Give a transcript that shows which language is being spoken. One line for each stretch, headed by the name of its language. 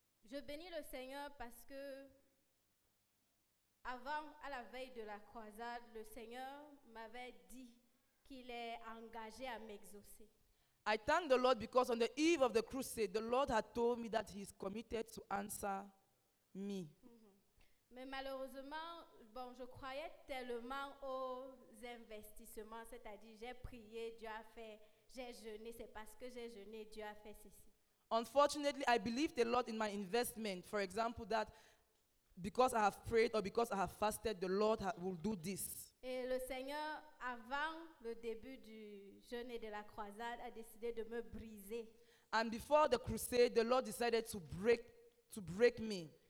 French: Je bénis le Seigneur parce que avant, à la veille de la croisade, le Seigneur m'avait dit qu'il est engagé à m'exaucer.
English: I thank the Lord because on the eve of the crusade, the Lord had told me that he is committed to answer me. Mm-hmm.
French: Mais malheureusement, bon, je croyais tellement aux investissements, c'est-à-dire j'ai prié, Dieu a fait, j'ai jeûné, c'est parce que j'ai jeûné, Dieu a fait ceci.
English: Unfortunately, I believed a lot in my investment. For example, that because I have prayed or because I have fasted, the Lord will do this.
French: Et le Seigneur, avant le début du jeûne et de la croisade, a décidé de me briser.
English: And before the crusade, the Lord decided to break me.